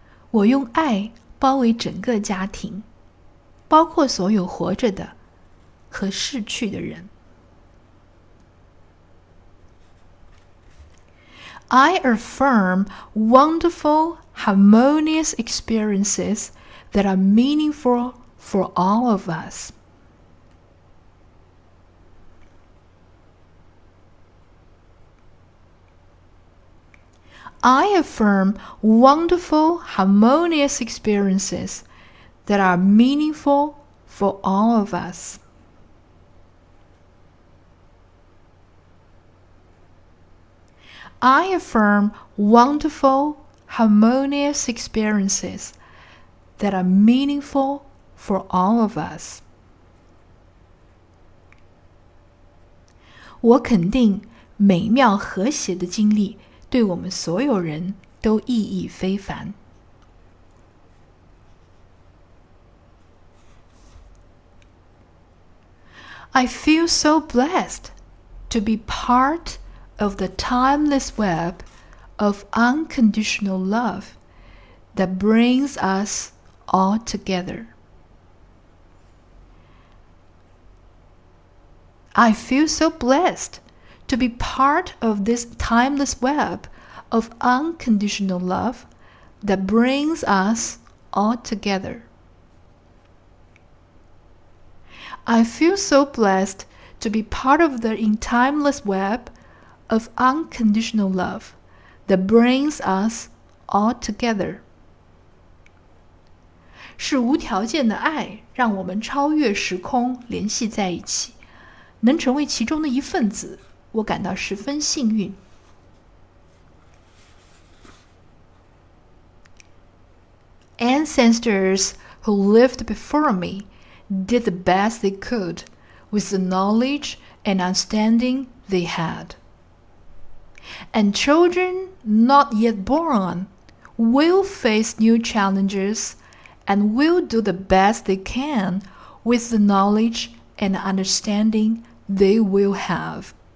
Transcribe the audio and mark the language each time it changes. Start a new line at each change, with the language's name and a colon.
Chinese: 我用爱包围整个家庭，包括所有活着的和逝去的人。
English: I affirm wonderful, harmonious experiences that are meaningful for all of us. I affirm wonderful, harmonious experiences that are meaningful for all of us. I affirm wonderful, harmonious experiences that are meaningful for all of us.
Chinese: 我肯定美妙和谐的经历对我们所有人都意义非凡。
English: I feel so blessed to be part of the timeless web of unconditional love that brings us all together. I feel so blessed to be part of this timeless web. Of unconditional love that brings us all together. I feel so blessed to be part of the timeless web of unconditional love that brings us all together.
Chinese: 是无条件的爱让我们超越时空联系在一起。能成为其中的一份子，我感到十分幸运。
English: ancestors who lived before me did the best they could with the knowledge and understanding they had. And children not yet born will face new challenges and will do the best they can with the knowledge and understanding they will have.